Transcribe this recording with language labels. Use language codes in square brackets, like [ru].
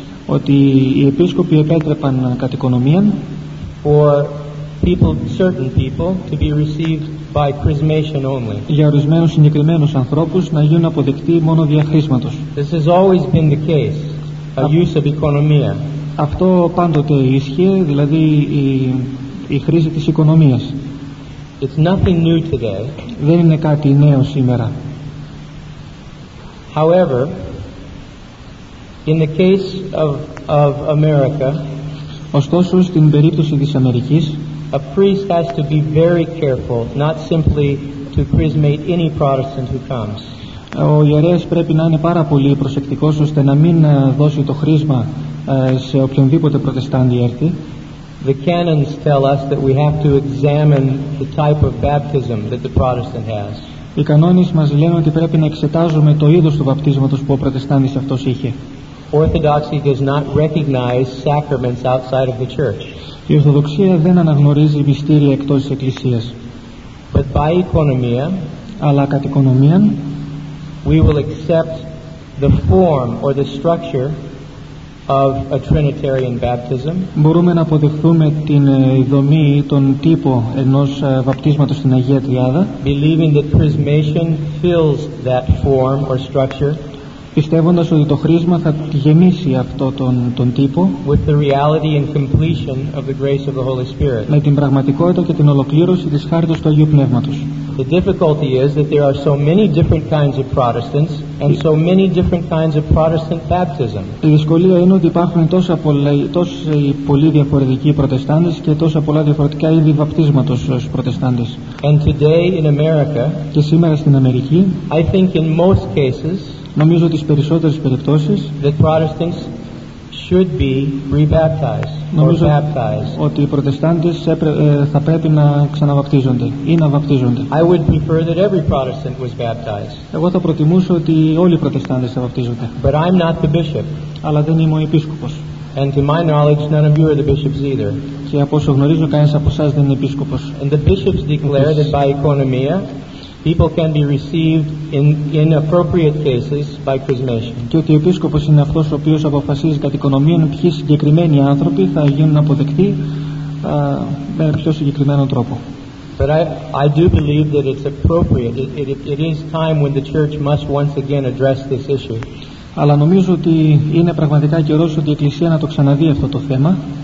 [el] ότι οι επίσκοποι επέτρεπαν κατ' οικονομία [en] for people, certain people, to be received by chrismation only. [el] Για ορισμένους συγκεκριμένους ανθρώπους να γίνουν αποδεκτοί μόνο δια χρήσματος. [en] This has always been the case, a use of οικονομία. [el] Αυτό πάντοτε ίσχυε, δηλαδή η χρήση της οικονομίας. [en] It's nothing new today. [el] Δεν είναι κάτι νέο σήμερα. [en] However, in the case of America, [el] ωστόσο στην περίπτωση της Αμερικής, [en] a priest has to be very careful not simply to chrismate any Protestant who comes. [el] Ο ιερέας πρέπει να είναι πάρα πολύ προσεκτικός ώστε να μην δώσει το χρήσμα σε οποιονδήποτε προτεστάντη έρθει. [en] The canons tell us that we have to examine the type of baptism that the Protestant has. [el] Οι κανόνες μας λένε ότι πρέπει να εξετάζουμε το είδος του βαπτίσματος που ο Προτεστάντης αυτός είχε. [en] Orthodoxy does not recognize sacraments outside of the church. [el] Η Ορθοδοξία δεν αναγνωρίζει μυστήρια εκτός της Εκκλησίας. [en] But by economia, [el] αλλά κατ' οικονομία, [en] we will accept the form or the structure of a Trinitarian baptism. [el] Μπορούμε να αποδεχθούμε την δομή ή τον τύπο ενός βαπτίσματος στην Αγία Τριάδα, [en] believing that chrismation fills that form or structure, [el] πιστεύοντας ότι το χρήσμα θα γεμίσει αυτό τον τύπο, [en] with the reality and completion of the grace of the Holy Spirit, [el] με την πραγματικότητα και την ολοκλήρωση της χάρητος του Αγίου Πνεύματος. [en] The difficulty is that there are so many different kinds of Protestants and so many different kinds of Protestant baptism. [el] Η δυσκολία είναι ότι υπάρχουν τόσοι πολύ διαφορετικοί Προτεστάντες και τόσα πολλά διαφορετικά είδη βαπτίσματος στους Προτεστάντες. [en] And today in America, [el] και σήμερα στην Αμερική, [en] I think in most cases, [el] νομίζω ότι στις περισσότερες περιπτώσεις [en] the Protestants should be re-baptized, [el] νομίζω ότι οι Προτεστάντες θα πρέπει να ξαναβαπτίζονται ή να βαπτίζονται. [en] I would prefer that every Protestant was baptized. [el] Εγώ θα προτιμούσα ότι όλοι οι Προτεστάντες θα βαπτίζονται. [en] But I'm not the bishop. [el] Αλλά δεν είμαι ο επίσκοπος. [en] And to my knowledge, none of you are the bishops either. [el] Και από όσο γνωρίζω, κανένας από εσάς δεν είναι επίσκοπος. [en] And the bishops declare that by economia, people can be received in appropriate cases by chrismation. [el] Και ότι ο επίσκοπος είναι αυτός ο οποίος αποφασίζει κατ' οικονομία ποιοι συγκεκριμένοι άνθρωποι θα γίνουν αποδεκτοί με πιο συγκεκριμένο τρόπο. [en] But I do believe that it's appropriate. It is time when the church must once again address this issue. [el] Αλλά νομίζω ότι είναι πραγματικά καιρός ότι η Εκκλησία να το ξαναδεί αυτό το θέμα.